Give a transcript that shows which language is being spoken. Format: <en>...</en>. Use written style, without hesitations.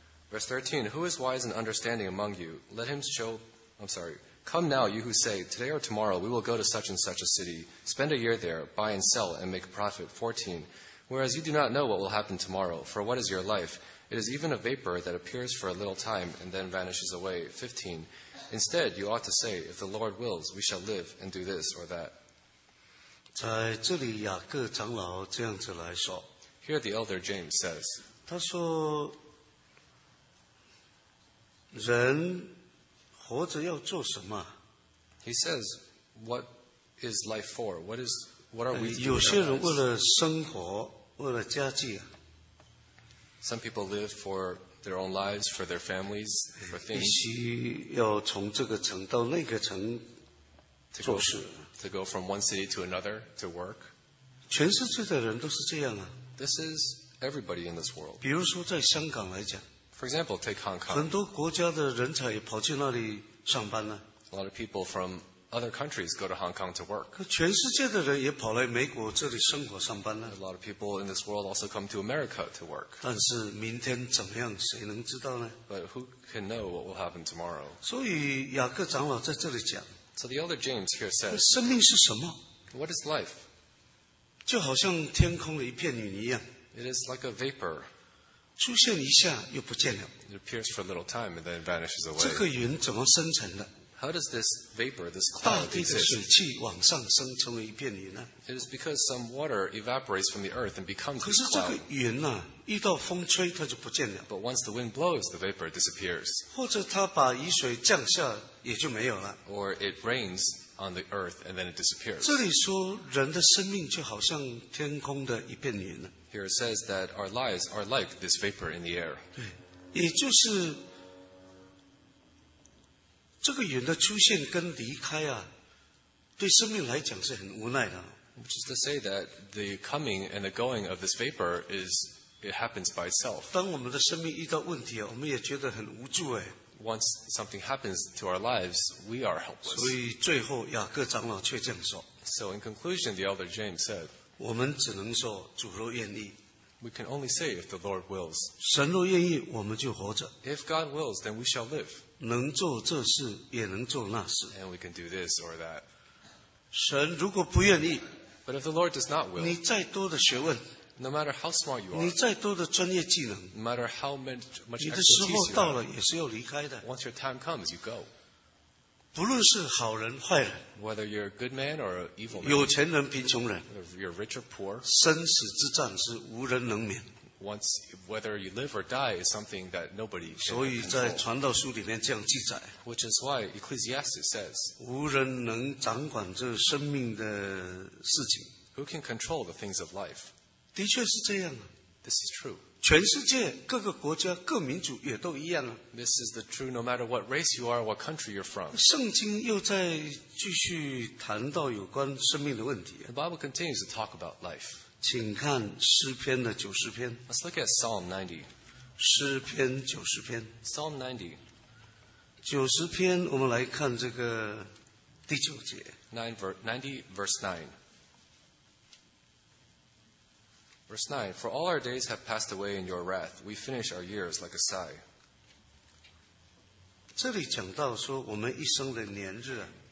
<en>Verse 13, who is wise and understanding among you? Let him show, I'm sorry, come now, you who say, today or tomorrow we will go to such and such a city, spend a year there, buy and sell, and make a profit. 14, whereas you do not know what will happen tomorrow, for what is your life? It is even a vapor that appears for a little time and then vanishes away. 15. Instead, you ought to say, if the Lord wills, we shall live and do this or that.</en> <zh>在这里雅各长老这样子来说。</zh> <en>Here the elder James says,</en> <zh>他说人活着要做什么。</zh> <en>He says, what is life for? What are we doing?</en> <zh>有些人为了生活，为了家计啊。</zh> <en>Some people live for their own lives, for their families, for things.</en> <zh>必须要从这个城到那个城做事。</zh> <en>To go from one city to another to work.</en> <zh>全世界的人都是这样啊。</zh> <en>This is everybody in this world.</en> <zh>比如说在香港来讲。</zh> <en>For example, take Hong Kong.</en> <zh>很多国家的人才也跑去那里上班呢。</zh> <en>A lot of people from other countries go to Hong Kong to work.</en> <zh>全世界的人也跑来美国这里生活上班呢。</zh> <en>A lot of people in this world also come to America to work.</en> <zh>但是明天怎么样，谁能知道呢？</zh> <en>But who can know what will happen tomorrow?</en> <zh>所以雅各长老在这里讲。</zh> <en>So the elder James here says,</en> <zh>生命是什么？</zh> <en>What is life?</en> <zh>就好像天空的一片云一样。</zh> <en>It is like a vapor.</en> <zh>出现一下又不见了。</zh> <en>It appears for a little time and then vanishes away.</en> <zh>这个云怎么生成的？</zh> <en>How does this vapor, this cloud exist?</en> <zh>大地的水汽往上升成为一片云呢。</zh> <en>It is because some water evaporates from the earth and becomes a cloud.</en> <zh>可是这个云呢，一到风吹，它就不见了。</zh> <en>But once the wind blows, the vapor disappears.</en> <zh>或者它把雨水降下，也就没有了。</zh> <en>Or it rains on the earth and then it disappears.</en> <zh>这里说人的生命就好像天空的一片云呢。</zh> <en>Here it says that our lives are like this vapor in the air.</en> <zh>对，也就是。这个云的出现跟离开啊，对生命来讲是很无奈的。</zh> <en>Which is to say that the coming and the going of this vapor is it happens by itself.</en> <zh>当我们的生命遇到问题啊，我们也觉得很无助哎。</zh> <en>Once something happens to our lives, we are helpless.</en> <zh>所以最后雅各长老却这样说。</zh> <en>So in conclusion, the elder James said,</en> <zh>我们只能说主若愿意。</zh> <en>We can only say if the Lord wills.</en> <zh>神若愿意，我们就活着。</zh> <en>If God wills, then we shall live.</en> <zh>能做这事也能做那事。</zh> <en>And we can do this or that.</en> <zh>神如果不愿意，</zh> <en>But if the Lord does not will,</en> <zh>你再多的学问，</zh> <en>No matter how smart you are,</en> <zh>你再多的专业技能，</zh> <en>No matter how much expertise you have,</en> <zh>你的时候到了也是要离开的。</zh> <en>Once your time comes, you go.</en> <zh>不论是好人坏人</zh> <en>whether you're a good man or an evil man,</en> <zh>有钱人贫穷人</zh> <en>whether you're rich or poor,</en> <zh>生死之战是无人能免</zh> <en>once, whether you live or die is something that nobody can control.</en> <zh>所以在传道书里面这样记载</zh> <en>which is why Ecclesiastes says,</en> <zh>无人能掌管这生命的事情</zh> <en>who can control the things of life?</en> <zh>的确是这样</zh> <en>this is true.</en> <zh>全世界各个国家各民族也都一样啊。</zh> <en>This is the truth, no matter what race you are, what country you're from.</en> <zh>圣经又在继续谈到有关生命的问题。</zh> <en>The Bible continues to talk about life.</en> <zh>请看诗篇的九十篇。</zh> <en>Let's look at Psalm 90.</en> <zh>诗篇九十篇。</zh> <en>Psalm 90.</en> <zh>九十篇，我们来看这个第九节。</zh> <en>90 verse 9. Verse 9, For all our days have passed away in your wrath. We finish our years like a sigh.</en> <zh>这里讲到说我们一生的年日</zh>